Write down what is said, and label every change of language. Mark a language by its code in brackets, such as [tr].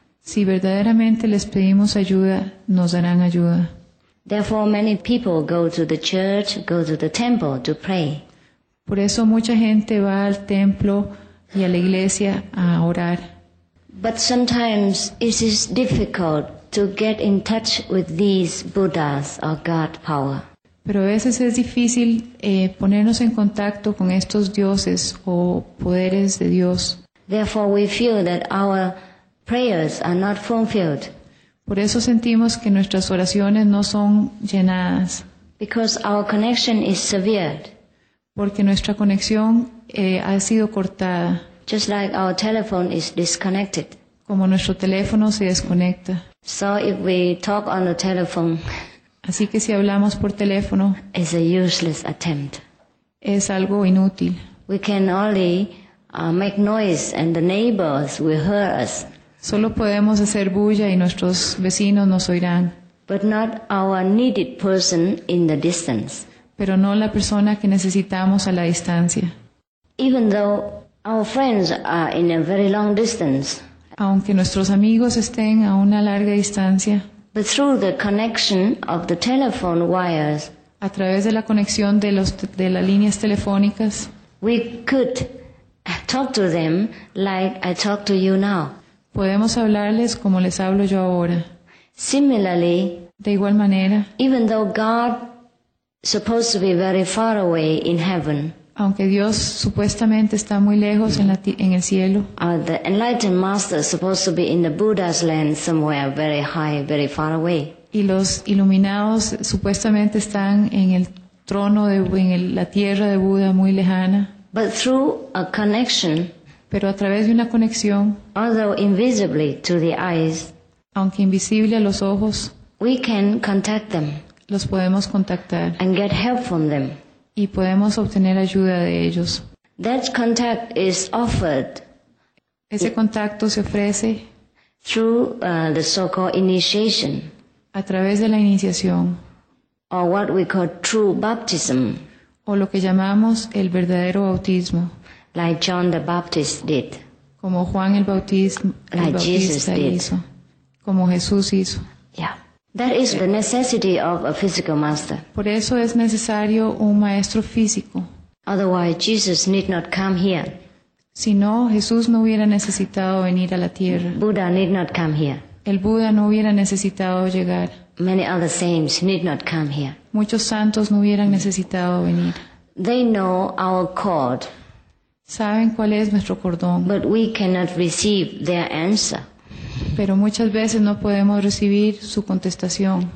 [es] Si verdaderamente les pedimos ayuda, nos darán ayuda. [en] Therefore, many people go to the church, go to the temple to pray. [es] Por eso mucha gente va al templo y a la iglesia a orar. [en] But sometimes it is difficult to get in touch with these Buddhas or God power. [es] Pero a veces es difícil ponernos en contacto con estos dioses o poderes de Dios. [en] Therefore, we feel that our prayers are not fulfilled. [es] Por eso sentimos que nuestras oraciones no son llenadas. [en] Because our connection is severed. [es] Porque nuestra conexión ha sido cortada. [en] Just like our telephone is disconnected. [es] Como nuestro teléfono se desconecta. [en] So if we talk on the telephone, [es] así que si hablamos por teléfono, [en] it's a useless attempt. [es] Es algo inútil. [en] We can only make noise and the neighbors will hear us. [es] Solo podemos hacer bulla y nuestros vecinos nos oirán. [en] But not our needed person in the distance. [es] Pero no la persona que necesitamos a la distancia. [en] Even though our friends are in a very long distance. [es] Aunque nuestros amigos estén a una larga distancia. [en] But through the connection of the telephone wires. [es] A través de la conexión de los de las líneas telefónicas. [en] We could talk to them like I talk to you now. [es] Podemos hablarles como les hablo yo ahora. [en] Similarly, [es] de igual manera, [en] even though God supposed to be very far away in heaven, [es] aunque Dios supuestamente está muy lejos en el cielo, [en] the enlightened master supposed to be in the Buddha's land somewhere very high, very far away. [es] Y los iluminados supuestamente están en el trono de en el, la tierra de Buda muy lejana. [en] But through a connection. [es] Pero a través de una conexión, [en] although invisibly to the eyes, [es] aunque invisible a los ojos, [en] we can contact them, [es] los podemos contactar, [en] and get help from them, [es] y podemos obtener ayuda de ellos. [en] That contact is offered. [es] Ese contacto se ofrece [en] through the so-called initiation, [es] a través de la iniciación, [en] or what we call true baptism, [es] o lo que llamamos el verdadero bautismo. [en] Like John the Baptist did. [es] Como Juan el Bautista, [en] like [es] el Bautista [en] Jesus [es] hizo. [en] Did. [es] Como Jesús hizo. [en] Yeah. That is the necessity of a physical master. [es] Por eso es necesario un maestro físico. [en] Otherwise, Jesus need not come here. [es] Si no, Jesús no hubiera necesitado venir a la tierra. [en] Buddha need not come here. [es] El Buda no hubiera necesitado llegar. [en] Many other saints need not come here. [es] Muchos santos no hubieran necesitado venir. [en] They know our cord. [es] Saben cuál es nuestro cordón. [en] But we cannot receive their answer. [es] Pero muchas veces no podemos recibir su contestación.